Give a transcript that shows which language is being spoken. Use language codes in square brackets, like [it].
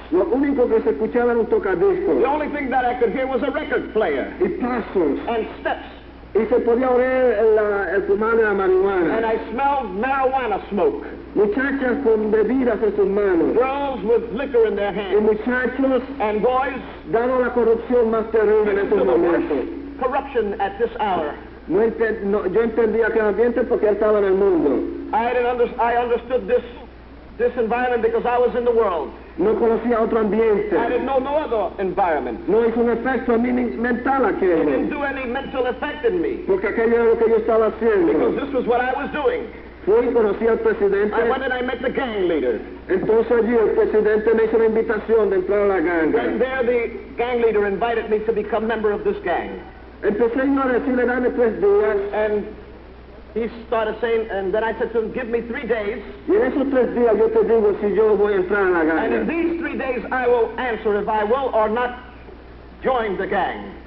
[es] Lo único que se escuchaba era un tocadiscos. [en] The only thing that I could hear was a record player. [es] Y pasos. [en] And steps. [es] Y se podía oler el fumar de la marihuana. [en] And I smelled marijuana smoke. [es] Muchachas con bebidas en sus manos. [en] Girls with liquor in their hands. [es] Y muchachos. [en] And boys. [es] Dando la corrupción más terrible en estos momentos. [en] Corruption at this hour. [es] Yo entendía que el ambiente porque estaba en el mundo. [en] I understood this environment because I was in the world. [es] No conocía otro ambiente. [en] I didn't know no other environment. [es] No hizo un efecto a mí mental aquello. [en] It didn't do any mental effect in me. [es] Porque aquello era lo que yo estaba haciendo. [en] Because this was what I was doing. [es] Fui, conocí al presidente. [en] I went and I met the gang leader. [es] Entonces allí el presidente me hizo la invitación de entrar a la ganga. [en] And there the gang leader invited me to become member of this gang. [es] Empecé a decirle, dame 3 días. [en] And he started saying, and then I said to him, give me 3 days. [es] Y en esos 3 días yo te digo si yo voy a entrar a la ganga. [en] And in these 3 days I will answer if I will or not join the gang.